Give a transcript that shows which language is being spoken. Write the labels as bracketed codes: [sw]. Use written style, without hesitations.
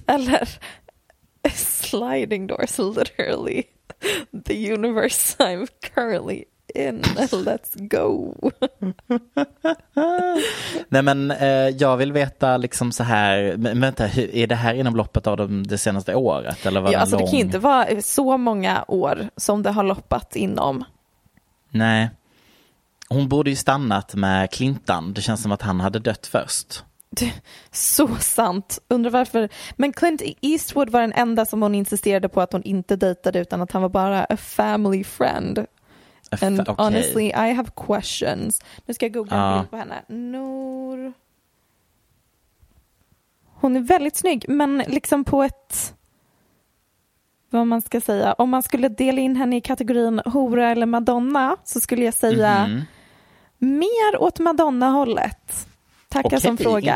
[en] Eller sliding doors, literally the universe I'm currently in. Let's go. [sv] Nej, men jag vill veta liksom så här, men vänta, är det här inom loppet av det senaste året? Eller var ja, alltså, det kan inte vara så många år som det har loppat inom. Nej. Hon borde ju stannat med Clinton. Det känns som att han hade dött först. Så sant. Undrar varför. Men Clint Eastwood var den enda som hon insisterade på att hon inte dejtade, utan att han var bara [en] a family friend. Okay. Honestly, I have questions. [sv] Nu ska jag googla en bild på henne. Nor. Hon är väldigt snygg, men liksom på ett... Vad man ska säga. Om man skulle dela in henne i kategorin hora eller Madonna, så skulle jag säga... Mm-hmm. Mer åt Madonna-hållet. Tackar som frågar.